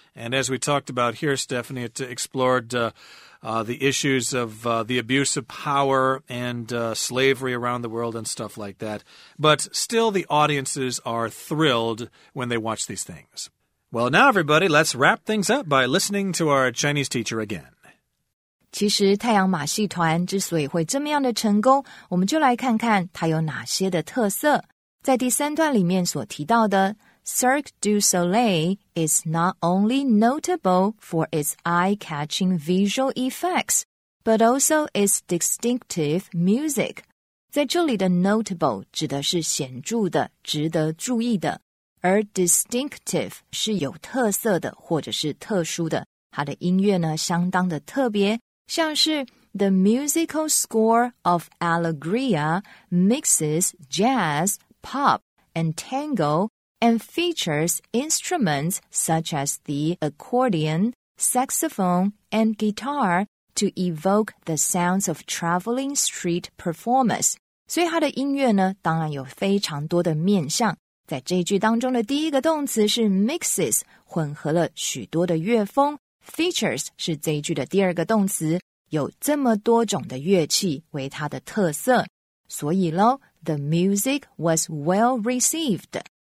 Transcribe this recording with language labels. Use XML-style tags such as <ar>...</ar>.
<en>And as we talked about here, Stephanie, it explored the issues of the abuse of power and slavery around the world and stuff like that. But still, the audiences are thrilled when they watch these things. Well, now, everybody, let's wrap things up by listening to our Chinese teacher again.</en> <zh>其实太阳马戏团之所以会这么样的成功，我们就来看看它有哪些的特色。在第三段里面所提到的</zh> <en>Cirque du Soleil is not only notable for its eye-catching visual effects, but also its distinctive music.</en> <zh>在这里的 notable 指的是显著的、值得注意的，而 distinctive 是有特色的或者是特殊的。它的音乐呢，相当的特别，像是</zh> <en>The musical score of Alegria mixes jazz, pop, and tango,and features instruments such as the accordion, saxophone, and guitar to evoke the sounds of traveling street performers.</en> <zh>所以它的音乐呢，当然有非常多的面向。在这句当中的第一个动词是 mixes, 混合了许多的乐风。 Features 是这句的第二个动词，有这么多种的乐器为它的特色。所以咯</zh> <en>the music was well received.</en>